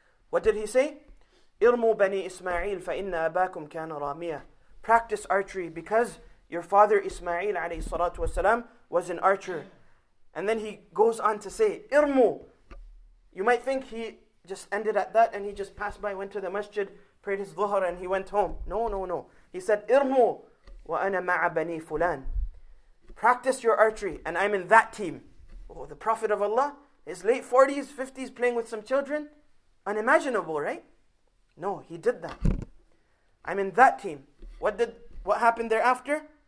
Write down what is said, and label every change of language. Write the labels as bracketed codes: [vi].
[en] What did he say? [ar] إِرْمُوا بَنِي إِسْمَعِيلِ فَإِنَّ أَبَاكُمْ كَانَ رَامِيًا. [en] Practice archery, because your father Ismail alayhi salatu wasalam was an archer. And then he goes on to say, إِرْمُوا. You might think he just ended at that and he just passed by, went to the masjid, prayed his dhuhr and he went home. No, no, no. He said, [ar] إِرْمُوا وَأَنَا مَعَ بَنِي فُلَانِ. [en] Practice your archery and I'm in that team. Oh, the Prophet of Allah, his late 40s, 50s, playing with some children? Unimaginable, right? No, he did that. I'm in that team. What happened thereafter?